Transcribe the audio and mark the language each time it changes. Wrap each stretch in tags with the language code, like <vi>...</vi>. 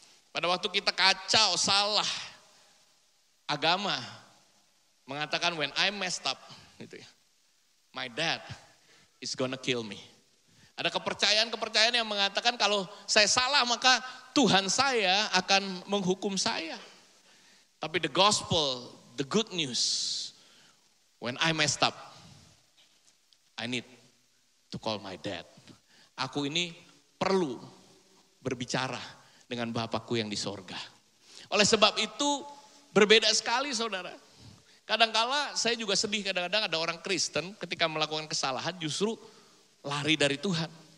<id>Pada waktu kita kacau, salah. Agama mengatakan</id> <en>when I messed up,</en> <id>gitu ya,</id> <en>my dad is gonna kill me.</en> <id>Ada kepercayaan-kepercayaan yang mengatakan kalau saya salah maka Tuhan saya akan menghukum saya. Tapi</id> <en>the gospel, the good news, when I messed up, I need to call my dad.</en> <id>Aku ini perlu berbicara dengan Bapakku yang di sorga. Oleh sebab itu berbeda sekali saudara. Kadangkala saya juga sedih, kadang-kadang ada orang Kristen ketika melakukan kesalahan justru lari dari Tuhan.</id>